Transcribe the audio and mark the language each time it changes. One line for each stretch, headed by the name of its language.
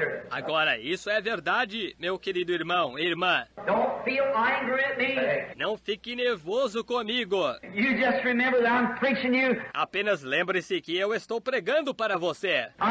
Portuguese: Agora, isso é verdade, meu querido irmão e irmã.
English: Don't feel angry at me.
Portuguese: Não fique nervoso comigo.
English: You just remember that I'm preaching you.
Portuguese: Apenas lembre-se que eu estou pregando para você.